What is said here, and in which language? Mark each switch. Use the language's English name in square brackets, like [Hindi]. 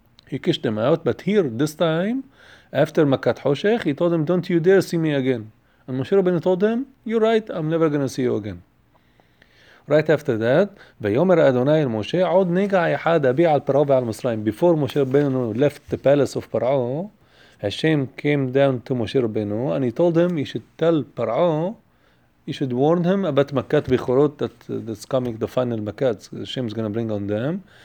[English] He kissed them out, but here, this time, after מכת חושך, he told them, don't you dare see me again. And משה רבנו told them, you're right, I'm never going to see you again. Right after that, [Hebrew] ויאמר אדוני אל משה, עוד נגע אחד אביע על פרעו ועל מצרים. [English] Before משה רבנו left the palace of פרעו, השם came down to משה רבנו, and he told him, you should tell פרעו, you should warn him about מכת בכורות that's coming, the final מכת, Hashem is going to bring on them.